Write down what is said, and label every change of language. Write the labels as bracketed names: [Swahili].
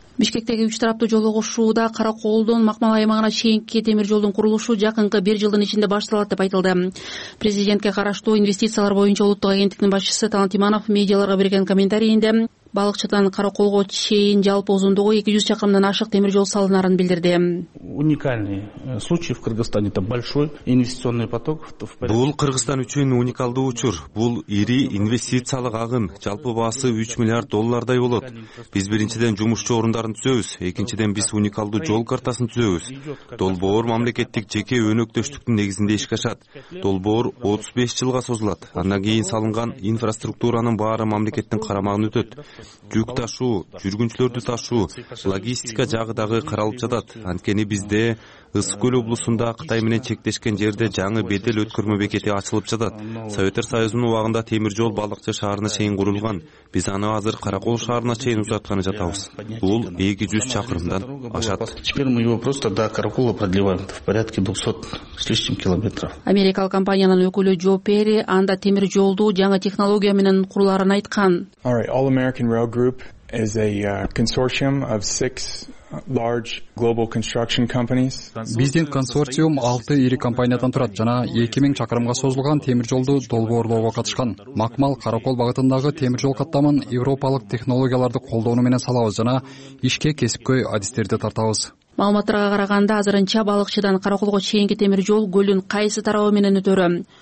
[Kyrgyz] Бишкектеги үч тараптуу жол окошууда Каракоолдон Макмал аймагына чейинки темир жолдун курулушу жакынкы бир жылдын ичинде башталат деп айтылды. Президентке караштуу инвестициялар боюнча улуттук агенттиктин башчысы Талант Иманов медиаларга берген комментарийинде Балыкчыдан Каракоолго чейин жалпы узундугу 200 чакырымдан ашык темир жол салынарын билдирди. [Russian] Уникальный случай в Кыргызстане, это большой инвестиционный поток. [Kyrgyz] Бул Кыргызстан үчүн уникалдуу учур. Бул ири инвестициялык агым, жалпы баасы 3 миллиард доллардай болот. Биз биринчиден жумушчу орундарын түзөбүз, экинчиден биз уникалдуу жол картасын түзөбүз. Долбоор мамлекеттик жеке өнөктөштүктүн негизинде иш кашат. Долбоор 35 жылга созулат. Андан кийин салынган инфраструктуранын баары мамлекеттин карамагына өтөт. Жүк ташуу, жүргүнчүлөрдү ташуу, логистика жагы дагы каралып жатат. Анткени бизде Ысык Көл облусунда Кытай менен чектешкен жерде жаңы бедел өткөрмө бекети ачылып жатат. Советтер Союзунун убагында темир жол Балыкчы шаарына чейин курулган. Биз аны азыр Каракол шаарына чейин узатканы жатабыз. Бул 200 чакырымдан ашат. [Russian] Теперь мы его просто до Каракола продлеваем. В порядке 200 с лишним километров. [Kyrgyz] Америкалык компаниянын өкүлү Джо Перри анда темир жолду жаңы технология менен куруларын айткан. [English] All right, All American Rail Group is a consortium of 6 large global construction companies. [Kyrgyz] Биздин консорциум 6 ири компаниядан турат жана 2000 чакырымга созулган темир жолду долбоорлоого катышкан. Макмал Каракол багытындагы темир жол каттамын европалык технологияларды колдонуу менен салабыз жана ишке кесипкөй адистерди тартабыз. Маалыматтарга караганда, азырынча Балыкчыдан Каракулго чейинки темир жол көлүн кайсы тарабы менен өтөрү?